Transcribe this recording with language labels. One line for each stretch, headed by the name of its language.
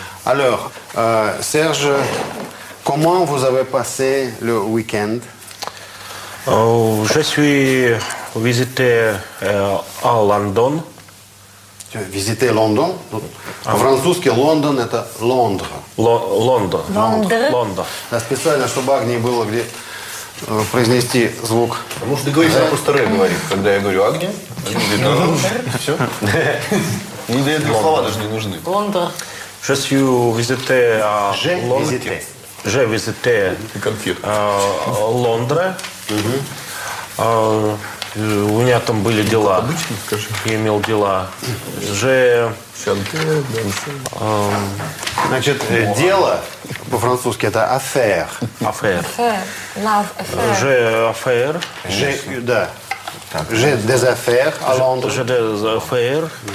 French: Alors, Serge, comment vous avez passé le week-end? Je suis visité à Лондон. Visité
Russian: Лондон? В французски Лондон – это Лондра. Лондон. Лондон. Да, специально, чтобы Агнии было где произнести звук. Потому что ты говоришь, я просто «рэ» говорю, когда я говорю «Агния». Ну, все. Мне для этого слова даже не нужны. Лондон.
French: Je suis visité à Londres. Je visité Лондре.
Russian: У меня там были дела. Обычно, скажи. Я имел дела.
French: Же.
Russian: Значит, дело по-французски это affaire.
French: Affaire.
English: Love affair.
French: Же affair. Да. Же des affaires à Londres. Же des affaires.